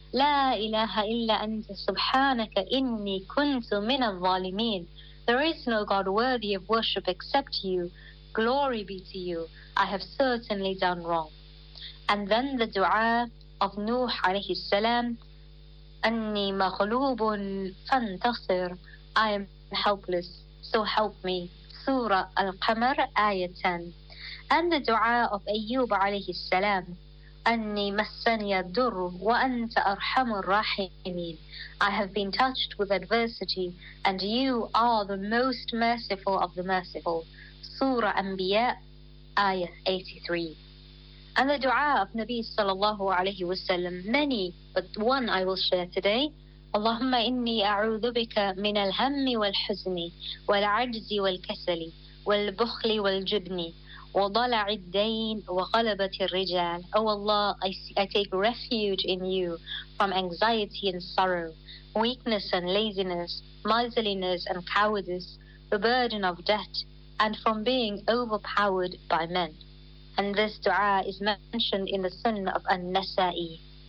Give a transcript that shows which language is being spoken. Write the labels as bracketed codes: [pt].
[ar] لا إله إلا أنت سبحانك إني كنت من الظالمين. [en] There is no God worthy of worship except you. Glory be to you. I have certainly done wrong. And then the dua of Nuh عليه السلام. [ar] أني مغلوب فانتصر. [en] I am helpless, so help me. Surah Al-Qamar, Ayah 10. And the dua of Ayyub عليه السلام. [ar] أني مسني الضر وأنت أرحم الراحمين. [en] I have been touched with adversity and you are the most merciful of the merciful. Surah Anbiya, Ayah 83. And the dua of Nabi sallallahu alayhi wa sallam, many, but one I will share today. [ar] اللهم إني أعوذ بك من الهم والحزن والعجز والكسل والبخل والجبن وضلع الدين وغلبة الرجال. [en] Oh Allah, I take refuge in you from anxiety and sorrow, weakness and laziness, miserliness and cowardice, the burden of debt, and from being overpowered by men. And this dua is mentioned in the Sunnah of An-Nasa'i.